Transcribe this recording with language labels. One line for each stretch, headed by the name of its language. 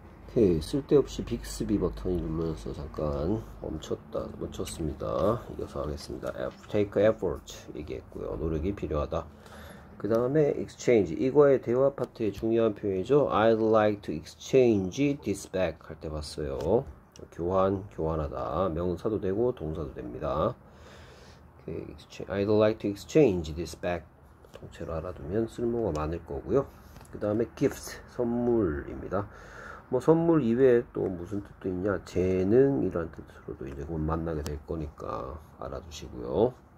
Korean: 오케이, 쓸데없이 빅스비 버튼 누르면서 잠깐 멈췄다, 멈췄습니다. 이어서 하겠습니다.
English: Take effort
Korean: 얘기했고요. 노력이 필요하다. 그 다음에 exchange. 이거의 대화 파트의 중요한 표현이죠.
English: I'd like to exchange this back
Korean: 할때 봤어요. 교환, 교환하다. 명사도 되고 동사도 됩니다.
English: 오케이, I'd like to exchange this back.
Korean: 통째로 알아두면 쓸모가 많을 거고요. 그 다음에 gift, 선물입니다. 뭐 선물 이외에 또 무슨 뜻도 있냐? 재능이라는 뜻으로도 이제 곧 만나게 될 거니까 알아두시고요.